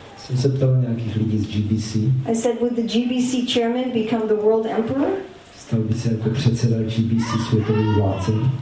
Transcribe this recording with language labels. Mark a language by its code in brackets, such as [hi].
[cs] Jsem se ptal nějakých lidí z GBC. [en] I said, would the GBC chairman become the world emperor? [cs] Stal by se jako předseda GBC světovým vládcem?